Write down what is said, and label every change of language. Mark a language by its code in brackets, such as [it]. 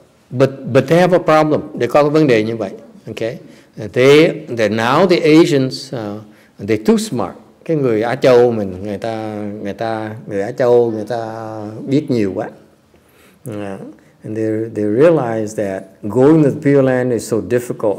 [en] But they have a problem. They call it [vi] vấn đề như vậy. [en] Okay, they now the Asians they're too smart. [vi] Cái người Á Châu mình người ta người Á Châu người ta biết nhiều quá. [en] And they realize that going to the Pure Land is so difficult.